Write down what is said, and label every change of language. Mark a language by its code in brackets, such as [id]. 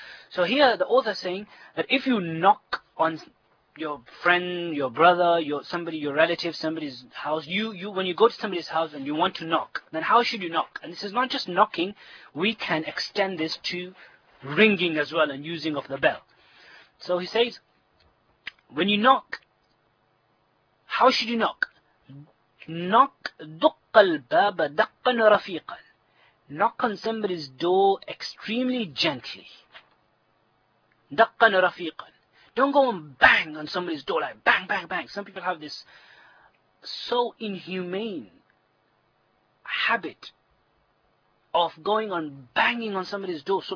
[en] So here the author is saying that if you knock on your friend, your brother, your relative, somebody's house, you when you go to somebody's house and you want to knock, then how should you knock? And this is not just knocking, we can extend this to ringing as well and using of the bell. So he says, when you knock, how should you knock? Knock, [ar] دق الباب دقا رفيقا. [en] Knock on somebody's door extremely gently. [ar] دقا رفيقا. [en] Don't go and bang on somebody's door like bang, bang, bang. Some people have this so inhumane habit of going on banging on somebody's door.